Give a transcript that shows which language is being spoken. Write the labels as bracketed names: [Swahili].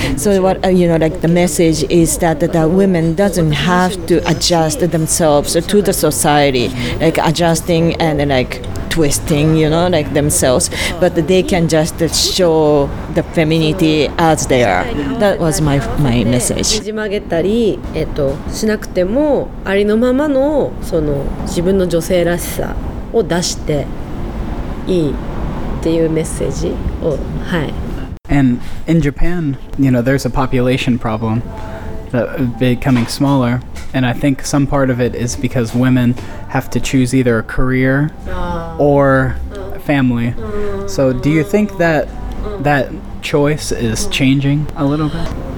[English] So what, you know, like the message is that the women doesn't have to adjust themselves to the society. Like adjusting and like twisting, you know, like themselves, but they can just show the femininity as they are. That was my message. [Japanese] ねじ曲げたり、しなくてもありのままのその自分の女性らしさを出していいっていうメッセージを、はい。 [English] And in Japan, you know, there's a population problem that is becoming smaller. And I think some part of it is because women have to choose either a career or family. So do you think that choice is changing a little bit?